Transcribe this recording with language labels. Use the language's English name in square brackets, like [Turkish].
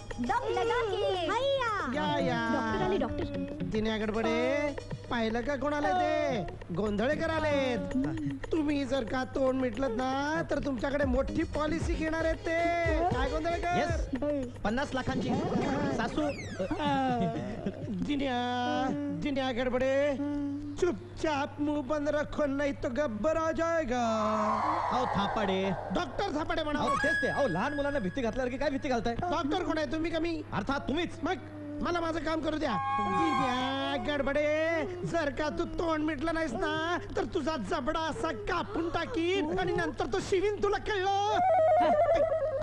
[Hindi] दम लगा के. [Marathi] अय्या दिनेगडबडे पाहिलं का कोणाला ते गोंधळेकर आलेत. तुम्ही जर का तोंड मिटलत ना तर तुमच्याकडे मोठी पॉलिसी घेणार आहेत ते. काय गोंधळेकर? यस, 50 लाखांची सासू. [Hindi] दिनेगडबडे चुपचाप मुंह बंद रखो नहीं तो गब्बर आ जाएगा. आओ थापड़े डॉक्टर थापड़े बनाओ. आओ तेज़ आओ. [Marathi] लहान मुलांना भीती घातली की काय भीती घालताय? डॉक्टर कोण आहे तुम्ही? कमी अर्थात तुम्हीच. मग मला माझं काम करू द्या. गडबडे जर का तू तोंड मिटलं नाहीस ना तर तुझा जबडा असा कापून टाकीन आणि नंतर तो शिवीन. तुला कळलं?